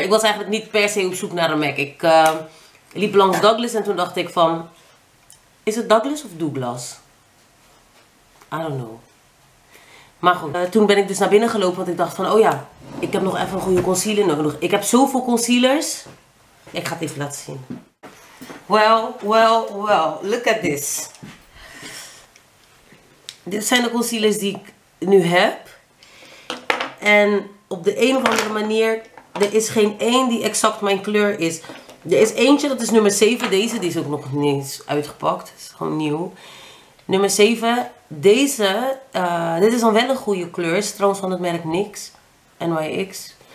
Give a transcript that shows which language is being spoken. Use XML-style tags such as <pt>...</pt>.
<nl>Ik was eigenlijk niet per se op zoek naar een MAC. Ik liep langs Douglas en toen dacht ik van, is het Douglas of Douglas?</nl> <en>I don't know.</en> <nl>Maar goed, toen ben ik dus naar binnen gelopen, want ik dacht van, oh ja, ik heb nog even een goede concealer nodig. Ik heb zoveel concealers. Ik ga het even laten zien.</nl> <en>Well, well, well, look at this.</en> <nl>Dit zijn de concealers die ik nu heb. En op de een of andere manier, er is geen één die exact mijn kleur is. Er is eentje, dat is nummer 7. Deze, die is ook nog niet eens uitgepakt. Dat is gewoon nieuw. Nummer 7, deze, dit is dan wel een goede kleur, is trouwens van het merk NYX, NYX.</nl>